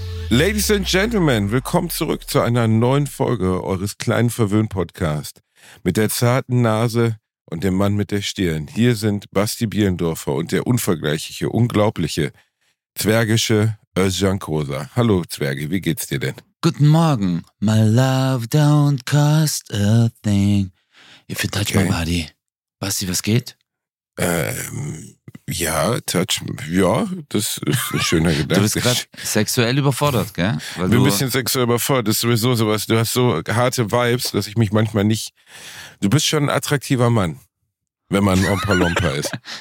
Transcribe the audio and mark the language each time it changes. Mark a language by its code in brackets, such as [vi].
[en] Ladies and Gentlemen, [de] willkommen zurück zu einer neuen Folge eures kleinen Verwöhn-Podcasts. Mit der zarten Nase und dem Mann mit der Stirn. Hier sind Basti Bielendorfer und der unvergleichliche, unglaubliche, zwergische Özcan Kosa. Hallo Zwerge, wie geht's dir denn? Guten Morgen. [en] My love don't cost a thing. If you touch my body. Basti, [de] was geht? Das ist ein schöner Gedanke. Du bist gerade sexuell überfordert, gell? Weil ein bisschen sexuell überfordert. Das ist sowieso sowas. Du hast so harte Vibes, dass ich mich manchmal nicht... Du bist schon ein attraktiver Mann, wenn man Ompa Lompa ist.